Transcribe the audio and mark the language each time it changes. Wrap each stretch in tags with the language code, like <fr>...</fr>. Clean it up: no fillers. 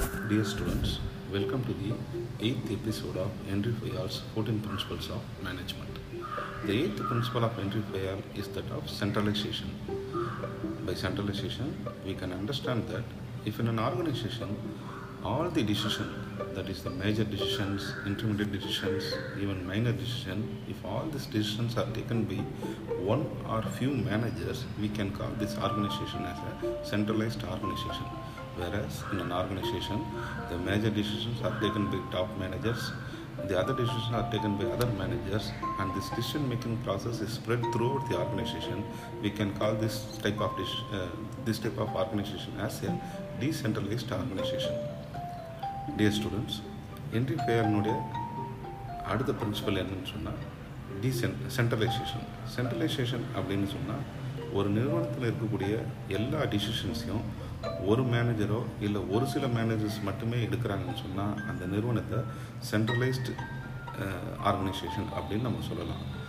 <en>Dear students, welcome to the 8th episode of Henri Fayol's 14 principles of management. The 8th principle of Henri Fayol is that of centralization. By centralization, we can understand that if in an organization all the decision, that is the major decisions, intermediate decisions, even minor decision, if all these decisions are taken by one or few managers, we can call this organization as a centralized organization. Whereas in an organization, the major decisions are taken by top managers, the other decisions are taken by other managers, and this decision making process is spread throughout the organization, we can call this type of organization as a decentralized organization. Dear students,</en> <ta>Henry Fayol-னுடைய அடுத்த principle என்னன்னு சொன்னால் decentralization. Centralization அப்படின்னு சொன்னால் ஒரு நிறுவனத்தில் இருக்கக்கூடிய எல்லா டிசிஷன்ஸையும் ஒரு மேனேஜரோ இல்லை ஒரு சில மேனேஜர்ஸ் மட்டுமே எடுக்கிறாங்கன்னு சொன்னால் அந்த நிறுவனத்தை சென்ட்ரலைஸ்டு ஆர்கனைசேஷன் அப்படின்னு நம்ம சொல்லலாம்.</ta>